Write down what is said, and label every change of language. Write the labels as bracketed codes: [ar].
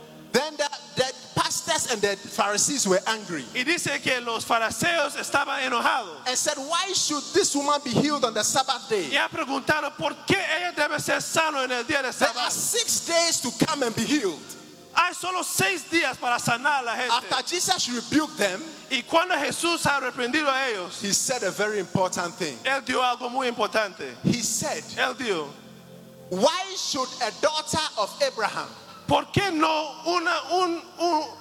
[en] Then the pastors and the Pharisees were angry. [es] Y dice que los fariseos estaban enojados. [en] And said, why should this woman be healed on the Sabbath day? [es] Y ha preguntado, ¿por qué ella debe ser sano en el día de Sabbath? [en] There are 6 days to come and be healed. [es] Hay solo 6 días para sanar a la gente. [en] After Jesus rebuked them, [es] y cuando Jesús ha reprendido a ellos, [en] he said a very important thing. [es] Él dio algo muy importante. [en] He said, [es] él dio, [en] why should a daughter of Abraham? [es] ¿Por qué no una un